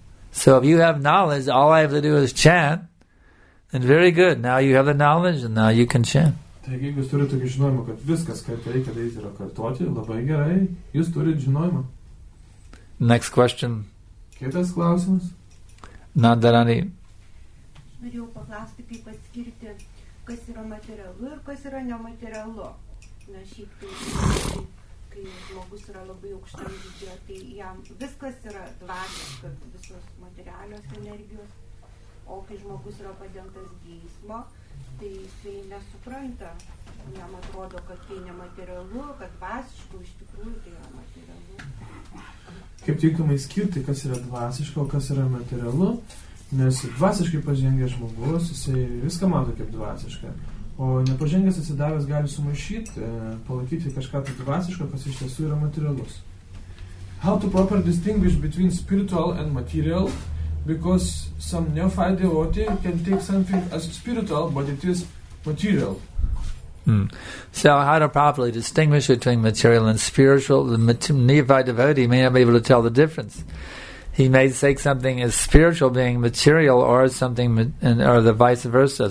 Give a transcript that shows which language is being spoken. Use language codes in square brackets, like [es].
[en] So if you have knowledge, all I have to do is chant, then very good. Now you have the knowledge, and now you can chant. [lt] Taigi, jeigu jūs turite žinojimą, kad viskas, ką reikia daryti, yra kartuoti, labai gerai, jūs turite žinojimą. [en] Next question. [lt] Kitas klausimas. Nadarani. Norėjau paklausti, kaip atskirti, kas yra materialu ir kas yra nematerialu. Na, šiaip tai, kai žmogus yra labai aukštai lygio, tai jam viskas yra dvasiška, visos materialios energijos, o kai žmogus yra padengtas geismo, tai jisai nesupranta, jam atrodo, kad tai nematerialu, kad dvasiškai iš tikrųjų tai yra materialu. Kaip tinkamai skirti, kas yra dvasiška, o kas yra materialu, nes dvasiškai pažengęs žmogus, jisai viską mato kaip dvasiška, o nepažengęs atsidavęs gali sumaišyti, palaikyti kažką tai dvasiško, kas iš tiesų yra materialus. [en] How to properly distinguish between spiritual and material? Because some neophyte devotee can take something as spiritual, but it is material. So how to properly distinguish between material and spiritual? The neophyte devotee may not be able to tell the difference. He may take something as spiritual being material or something, or the vice versa.